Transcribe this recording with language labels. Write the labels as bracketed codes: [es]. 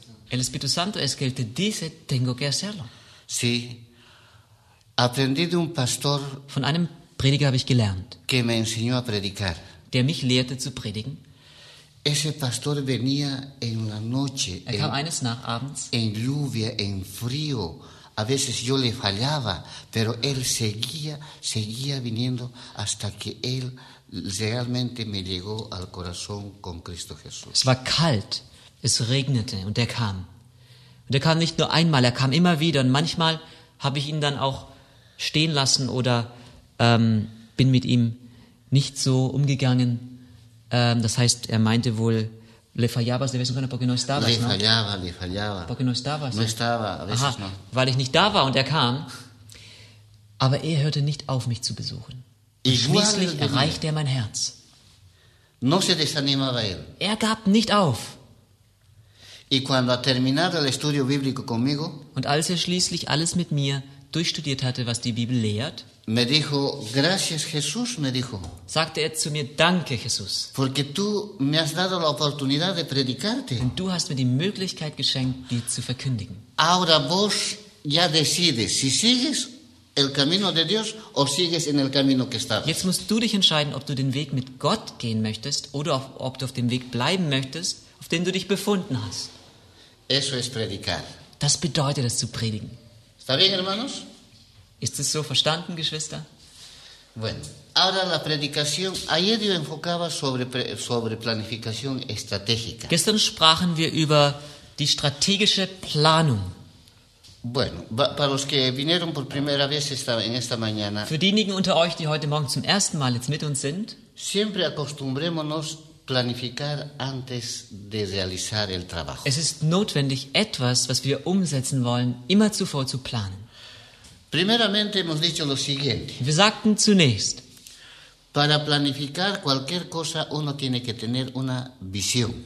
[es] El Espíritu Santo es que él te dice, tengo que hacerlo. Sí. Aprendí de un pastor, [de] von einem Prediger habe ich gelernt, [es] que me enseñó a predicar, [de] der mich lehrte zu predigen. [es] Ese pastor venía en la noche, [de] er kam eines Nachabends, [es] en lluvia, en frío. A veces yo le fallaba, pero él seguía viniendo hasta que él realmente me llegó al corazón con Cristo Jesús. [de] Es war kalt, es regnete und er kam. Und er kam nicht nur einmal, er kam immer wieder und manchmal habe ich ihn dann auch stehen lassen oder bin mit ihm nicht so umgegangen. Das heißt, er meinte wohl, [es] le fallaba, le [de] wissen können, [es] porque no estaba. Le fallaba, le fallaba. Porque no estaba. No estaba, a veces. Aha, no. [de] Weil ich nicht da war und er kam. Aber er hörte nicht auf, mich zu besuchen. Und schließlich erreichte er mein Herz. [es] No se desanimaba él. [de] Er gab nicht auf. [es] Y cuando ha terminado el estudio bíblico conmigo, [de] und als er schließlich alles mit mir durchstudiert hatte, was die Bibel lehrt, [es] me dijo, gracias, Jesús, me dijo, [de] sagte er zu mir, danke, Jesus, [es] porque tú me has dado la oportunidad de predicarte. [de] Und du hast mir die Möglichkeit geschenkt, dir zu verkündigen. [es] Ahora vos ya decides, si sigues el camino de Dios o sigues en el camino que estás. [de] Jetzt musst du dich entscheiden, ob du den Weg mit Gott gehen möchtest oder ob du auf dem Weg bleiben möchtest, auf den du dich befunden hast. [es] Eso es predicar. [de] Das bedeutet es zu predigen. [es] ¿Está bien, hermanos? [de] Ist es so verstanden, Geschwister? [es] Bueno, ahora la predicación, ayer yo enfocaba sobre planificación estratégica. [de] Gestern sprachen wir über die strategische Planung. [es] Bueno, para los que vinieron por primera vez en esta mañana. [de] Für diejenigen unter euch, die heute Morgen zum ersten Mal jetzt mit uns sind. [es] Siempre acostumbrémonos planificar antes de realizar el trabajo. [de] Es ist notwendig, etwas, was wir umsetzen wollen, immer zuvor zu planen. [es] Primeramente hemos dicho lo siguiente. [de] Wir sagten zunächst. [es] Para planificar cualquier cosa, uno tiene que tener una visión.